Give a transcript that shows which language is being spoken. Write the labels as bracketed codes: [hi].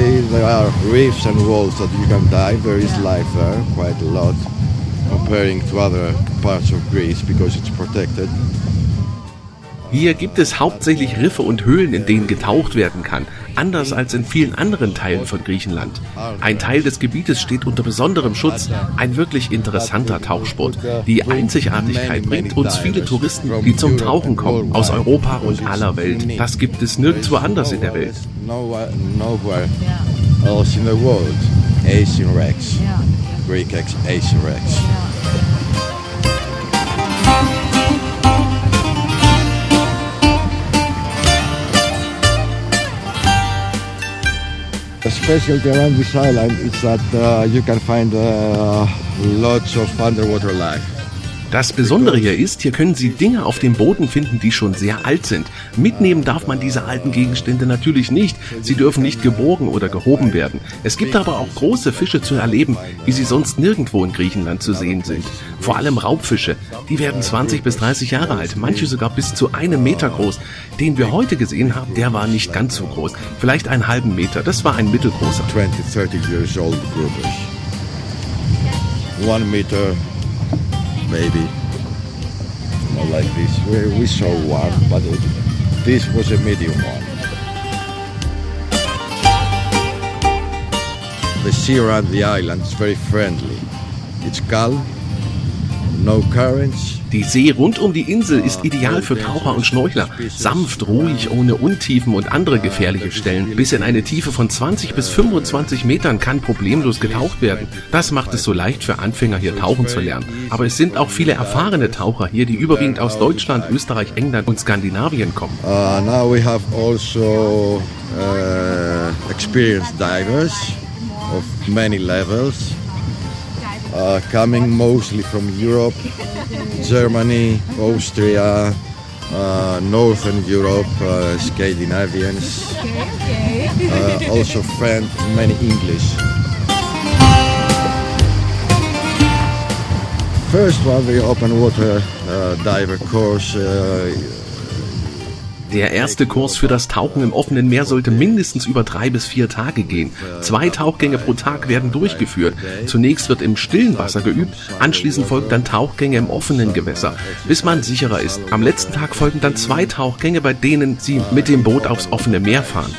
[en] there are reefs and walls that you can dive. There is life there, quite a lot, comparing to other parts of Greece, because it's protected. [de] Hier gibt es hauptsächlich Riffe und Höhlen, in denen getaucht werden kann, anders als in vielen anderen Teilen von Griechenland. Ein Teil des Gebietes steht unter besonderem Schutz, ein wirklich interessanter Tauchsport. Die Einzigartigkeit bringt uns viele Touristen, die zum Tauchen kommen, aus Europa und aller Welt. Das gibt es nirgendwo anders in der Welt. [en] The specialty around this island is that you can find lots of underwater life. [de] Das Besondere hier ist, hier können Sie Dinge auf dem Boden finden, die schon sehr alt sind. Mitnehmen darf man diese alten Gegenstände natürlich nicht. Sie dürfen nicht geborgen oder gehoben werden. Es gibt aber auch große Fische zu erleben, wie sie sonst nirgendwo in Griechenland zu sehen sind. Vor allem Raubfische. Die werden 20 bis 30 Jahre alt, manche sogar bis zu einem Meter groß. Den wir heute gesehen haben, der war nicht ganz so groß. Vielleicht einen halben Meter, das war ein mittelgroßer. 20, 30 Jahre alt, groß. 1 Meter. [en] Maybe, not like this. We saw one, but this was a medium one. The sea around the island is very friendly. It's calm, no currents. [de] Die See rund um die Insel ist ideal für Taucher und Schnorchler. Sanft, ruhig, ohne Untiefen und andere gefährliche Stellen. Bis in eine Tiefe von 20 bis 25 Metern kann problemlos getaucht werden. Das macht es so leicht für Anfänger, hier tauchen zu lernen. Aber es sind auch viele erfahrene Taucher hier, die überwiegend aus Deutschland, Österreich, England und Skandinavien kommen. [en] Now we have also experienced divers of many levels. Coming mostly from Europe, Germany, Austria, Northern Europe, Scandinavians, also French, many English. First one, the open water diver course. [de] Der erste Kurs für das Tauchen im offenen Meer sollte mindestens über 3 bis 4 Tage gehen. 2 Tauchgänge pro Tag werden durchgeführt. Zunächst wird im stillen Wasser geübt, anschließend folgt dann Tauchgänge im offenen Gewässer, bis man sicherer ist. Am letzten Tag folgen dann 2 Tauchgänge, bei denen Sie mit dem Boot aufs offene Meer fahren.